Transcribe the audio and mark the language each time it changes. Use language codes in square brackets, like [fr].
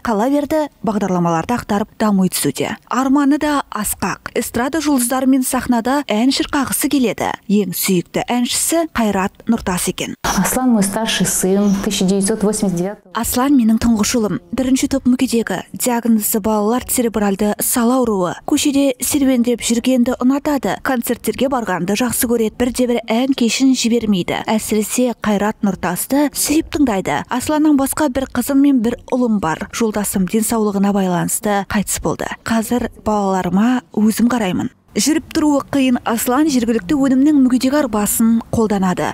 [kk] Қала берді, бағдарламаларды ақтарып, дамуы түсуде. Арманы да асқақ. Эстрада жұлдыздарымен сахнада ән шырқағысы келеді. Ең сүйікті әншісі Қайрат Нұртас екен. [ru] Аслан мой старший сын, 1989. [kk] Аслан менің тұңғышылым. Бірінші топ мүгедегі. Диагнозы балалар церебральды салауруы. Көшеде серуендеп жүргенді ұнатады. Концерттерге барғанды жақсы көреді. Бірде-бір ән кешін жібермейді. Әсіресе Қайрат Нұртасты сүйіп тыңдайды. Асланның басқа бір қызым мен бір ұлым бар. Жолдасым денсаулығына байланысты қайтыс болды. Қазір балаларыма өзім қараймын. Жүріп тұруы қиын Аслан жергілікті өнімнің мүгедек арбасын қолданады.